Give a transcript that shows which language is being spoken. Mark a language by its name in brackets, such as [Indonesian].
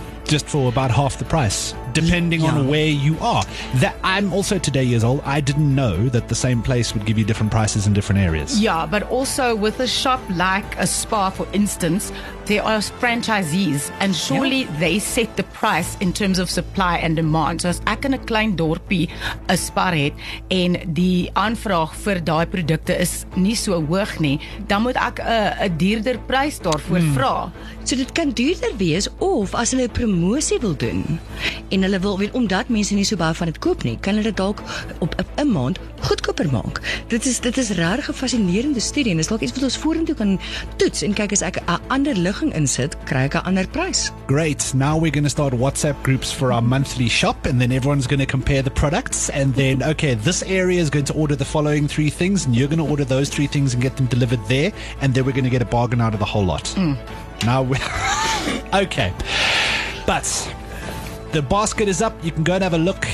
[English] Just for about half the price, depending on where you are. That I'm also today years old. I didn't know that the same place would give you different prices in different areas. Yeah, but also with a shop like a Spa, for instance, there are franchisees, and surely they set the price in terms of supply and demand. [Afrikaans] So as ek in 'n klein dorpie 'n Spa het en die aanvraag vir daai produkte is nie so hoog nie, dan moet ek 'n duurder prys daarvoor vra. So dit kan duurder wees, of as hulle 'n promosie wil doen en hulle wil, weet, omdat mense nie so baie van dit koop nie, kan hulle dalk op 'n maand goedkoper maak. Dit is regtig 'n fascinerende studie, en dit is dalk iets wat ons vorentoe kan toets en kyk as ek 'n ander ligging insit, kry ek 'n ander prys. [English] Great. Now we're going to start WhatsApp groups for our monthly shop, and then everyone's going to compare the products, and then okay, this area is going to order the following three things, and you're going to order those three things and get them delivered there, and then we're going to get a bargain out of the whole lot. Now we okay. But the basket is up. You can go and have a look.